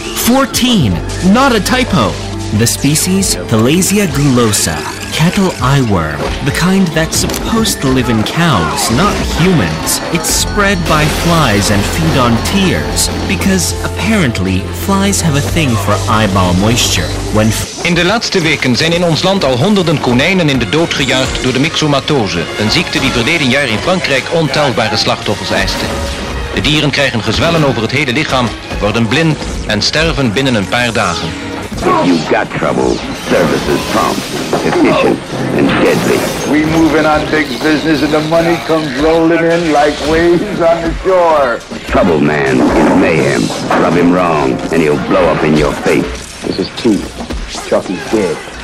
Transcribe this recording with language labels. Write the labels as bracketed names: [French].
[English] 14! Not a typo! The species, Thalassia gulosa, Kettle eyeworm, the kind that's supposed to live in cows, not humans. It's spread by flies and feed on tears, because apparently flies have a thing for eyeball moisture. [Dutch] In de laatste weken zijn in ons land al honderden konijnen in de dood gejaagd door de myxomatose, een ziekte die verleden jaar in Frankrijk ontelbare slachtoffers eiste. De dieren krijgen gezwellen over het hele lichaam, worden blind en sterven binnen een paar dagen. [English] If you've got trouble, service is prompt, efficient, and deadly. We move in on big business and the money comes rolling in like waves on the shore. Trouble man is mayhem. Rub him wrong and he'll blow up in your face. This is Chief. Chucky's dead.